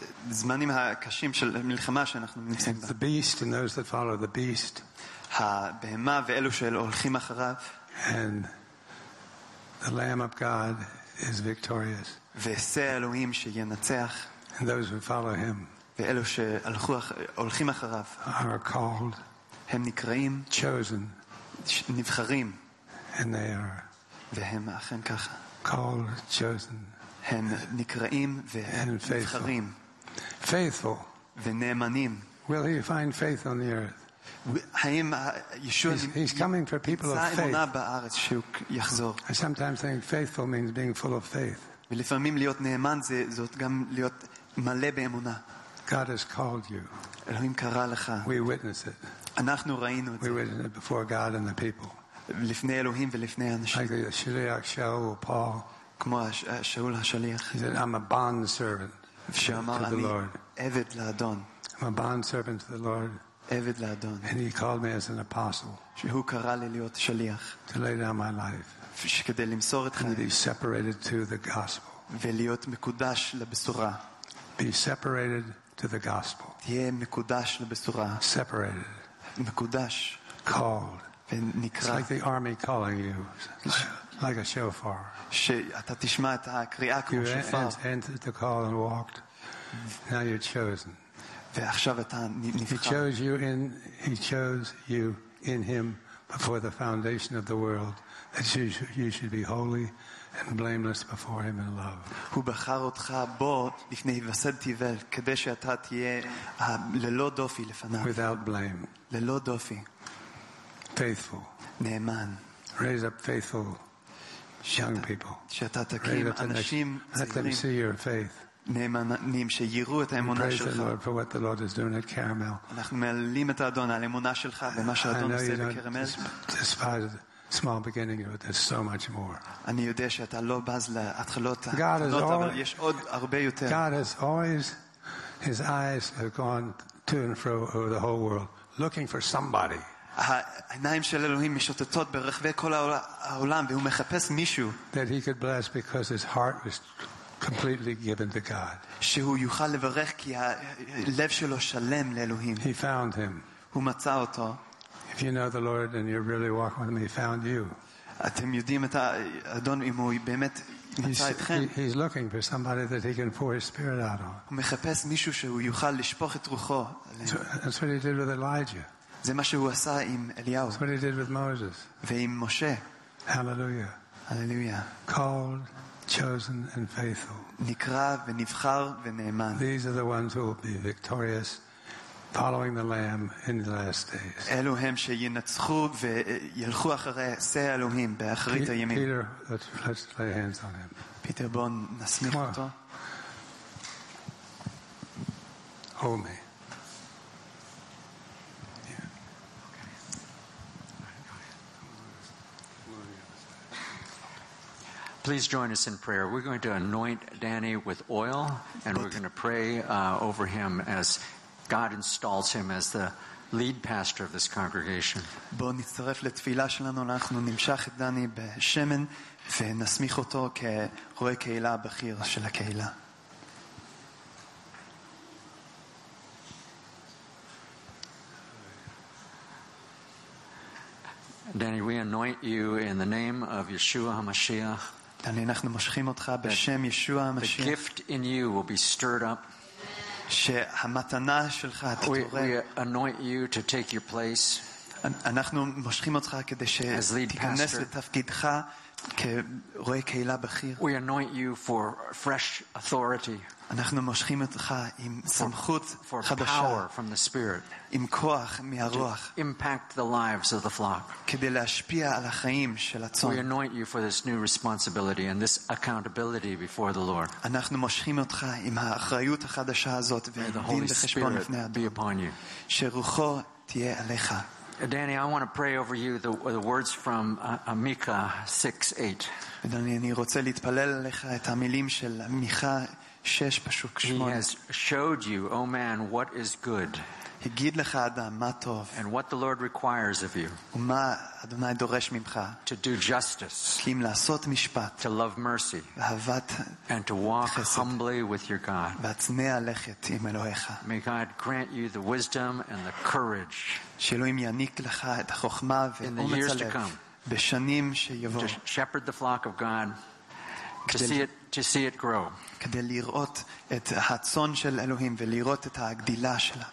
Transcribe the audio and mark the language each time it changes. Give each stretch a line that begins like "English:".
Hebrew: הזמנים הקשים של מלחמה שאנחנו נמצאים בה.
English: The beast and those that follow the beast.
Hebrew: הבהמה ואלו שהולכים אחריו.
English: And the Lamb of God is victorious.
Hebrew: ושה אלוהים שינצח.
English: And those who follow him.
Hebrew: ואלו שהולכים אחריו.
English: Are called.
Hebrew: הם נקראים.
English: Chosen.
Hebrew: נבחרים.
English: And they are.
Hebrew: והם אכן ככה.
English: Called, chosen.
Hebrew: הם נקראים ונבחרים.
English: Faithful.
Hebrew: ונאמנים.
English: Will he find faith on the earth?
Hebrew: האם ישוע
English: he's coming for people of faith.
Hebrew: אמונה בארץ שהוא יחזור.
English: I sometimes think faithful means being full of faith.
Hebrew: ולפעמים להיות נאמן זאת גם להיות מלא באמונה.
English: God has called you.
Hebrew: אלוהים קרא לך.
English: We witness it.
Hebrew: אנחנו ראינו את זה.
English: We witness it before God and the people.
Hebrew: לפני אלוהים ולפני אנשים.
English: Like
Hebrew: השליח שאול פאול. כמו שאול השליח.
English: He said, "I'm a bond servant."
Hebrew: שאמר,
English: to the Lord.
Hebrew: עבד לאדון.
English: I'm a bond servant to the Lord.
Hebrew: עבד לאדון.
English: And he called me as an apostle.
Hebrew: שהוא קרא לי להיות שליח.
English: To lay down my life.
Hebrew: שכדי למסור את חיי.
English: To be separated to the gospel.
Hebrew: ולהיות מקודש לבשורה.
English: Be separated to the gospel.
Hebrew: תהיה מקודש לבשורה.
English: Separated.
Hebrew: מקודש.
English: Called.
Hebrew: ונקרא.
English: It's like the army calling you. Like a shofar.
Hebrew: שאתה תשמע את הקריאה כמו שופר.
English: You entered the call and walked. Now you're chosen.
Hebrew: ועכשיו אתה נבחר.
English: He chose you in him before the foundation of the world that you should be holy and blameless before him in love.
Hebrew: הוא בחר אותך בו לפני היווסד תבל כדי שאתה תהיה ללא דופי לפניו.
English: Without blame.
Hebrew: ללא דופי.
English: faithful.
Hebrew: נאמן.
English: Raise up faithful young people.
Hebrew: שאתה תקים אנשים צעירים.
English: Let them see your faith.
Hebrew: נאמנים שיראו את האמונה שלך.
English: Praise the Lord for what the Lord is doing at Carmel.
Hebrew: אנחנו מעלים את האדון על האמונה שלך ומה שהאדון עושה בקרמל.
English: Despise small beginning, but there's so much more.
Hebrew: אני יודע שאתה לא בז להתחלות, אבל יש עוד הרבה יותר.
English: God has always, his eyes have gone to and fro over the whole world looking for somebody.
Hebrew: העיניים של אלוהים משוטטות ברחבי כל העולם והוא מחפש מישהו
English: that he could bless because his heart was completely given to God.
Hebrew: שהוא יוכל לברך כי הלב שלו שלם לאלוהים.
English: He found him.
Hebrew: הוא מצא אותו.
English: If you know the Lord and you really walk with him, he found you.
Hebrew: אתם יודעים את האדון, אם הוא באמת מצא אתכם.
English: He's looking for somebody that he can pour his spirit out on.
Hebrew: הוא מחפש מישהו שהוא יוכל לשפוך את רוחו.
English: That's what he did with Elijah.
Hebrew: זה מה שהוא עשה עם אליהו.
English: That's what he did with Moses.
Hebrew: ועם משה.
English: Hallelujah. Hallelujah. Called, chosen and faithful.
Hebrew: נקרא ונבחר ונאמן.
English: These are the ones who will be victorious following the lamb in the last days.
Hebrew: אלוהים שינצחו וילכו אחרי שה אלוהים באחרית הימים.
English: Peter, let's lay hands on him.
Hebrew: פיטר, בוא נסמיך אותו.
English: Hold me. Please join us in prayer. We're going to anoint Danny with oil and we're going to pray over him as God installs him as the lead pastor of this congregation.
Hebrew: בוא נצטרף לתפילה שלנו, אנחנו נמשך את דני בשמן ונסמיך אותו כרועה קהילה בכיר של הקהילה.
English: Danny, we anoint you in the name of Yeshua HaMashiach.
Hebrew: דני, אנחנו מושכים אותך בשם ישוע המשיח.
English: The gift in you will be stirred up.
Hebrew: שהמתנה שלך תתעורר.
English: We anoint you to take your place.
Hebrew: אנחנו מושכים אותך כדי שתיכנס לתפקידך כרועה קהילה בכיר.
English: We anoint you for fresh authority.
Hebrew: אנחנו מושכים אותך עם סמכות חדשה.
English: For power from the Spirit.
Hebrew: עם כוח מהרוח.
English: Impact the lives of the flock.
Hebrew: כדי להשפיע על החיים של הצאן.
English: We anoint you for this new responsibility and this accountability before the Lord.
Hebrew: אנחנו מושכים אותך עם האחריות החדשה הזאת ודין וחשבון לפני אדון.
English: May the Holy Spirit be upon you.
Hebrew: שרוחו תהיה עליך.
English: Danny, I want to pray over you the words from Micah 6:8.
Hebrew: דני, אני רוצה להתפלל עליך את המילים של מיכה 6 פסוק 8.
English: He has showed you, O man, what is good.
Hebrew: הגיד לך אדם מה טוב.
English: And what the Lord requires of you.
Hebrew: ומה אדוני דורש ממך.
English: To do justice.
Hebrew: כלים לעשות משפט.
English: To love mercy.
Hebrew: אהבת
English: And to walk humbly with your God.
Hebrew: והצנע לכת עם אלוהיך.
English: May God grant you the wisdom and the courage.
Hebrew: שאלוהים יעניק לך את החוכמה ואומץ הלב. בשנים שיבואו.
English: To shepherd the flock of God. To see it grow.
Hebrew: כדי לראות את הצאן של אלוהים ולראות את הגדילה שלה.